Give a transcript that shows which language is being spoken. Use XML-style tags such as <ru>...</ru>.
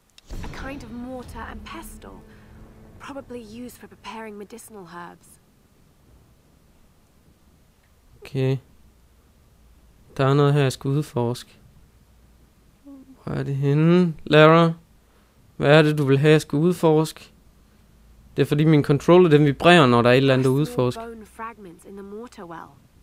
<en>A kind of mortar and pestle, probably used for preparing medicinal herbs. Okay.</en> <da>Der er noget her, jeg skal udforske. Hvor er det henne, Lara? Hvad er det, du vil have, jeg skal udforske? Det er fordi min controller, den vibrerer, når der er et eller andet at udforske.</da> <en>Bone fragments in the mortar well.</en>